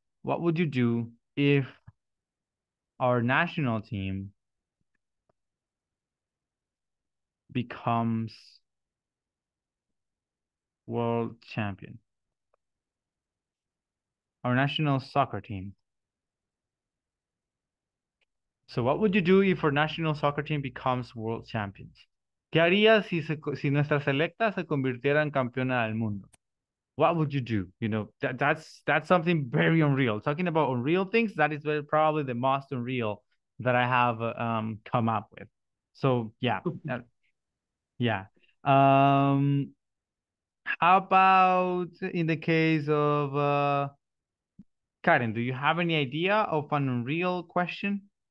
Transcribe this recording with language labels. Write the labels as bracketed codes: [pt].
[en] What would you do if our national team becomes world champion? Our national soccer team. So what would you do if our national soccer team becomes world champions? [es] ¿Qué harías si, si nuestra selecta se convirtiera en campeona del mundo? [en] What would you do? You know, that's something very unreal. Talking about unreal things, that is probably the most unreal that I have come up with. So, yeah. Yeah. How about in the case of Karen, do you have any idea of an unreal question?